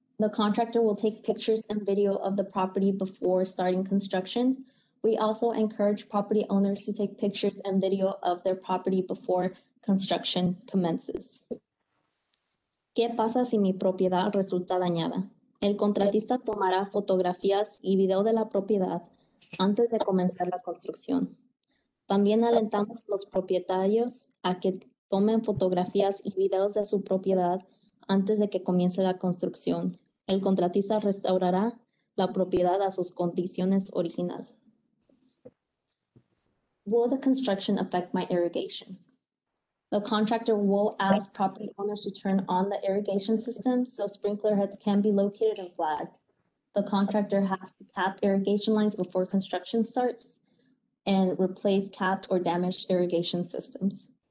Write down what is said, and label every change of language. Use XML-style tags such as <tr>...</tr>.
<en>The contractor will take pictures and video of the property before starting construction. We also encourage property owners to take pictures and video of their property before construction commences.</en> <es>¿Qué pasa si mi propiedad resulta dañada? El contratista tomará fotografías y video de la propiedad antes de comenzar la construcción. También alentamos a los propietarios a que tomen fotografías y videos de su propiedad antes de que comience la construcción. El contratista restaurará la propiedad a sus condiciones originales.</es> <en>Will the construction affect my irrigation? The contractor will ask property owners to turn on the irrigation system so sprinkler heads can be located and flagged. The contractor has to cap irrigation lines before construction starts and replace capped or damaged irrigation systems.</en>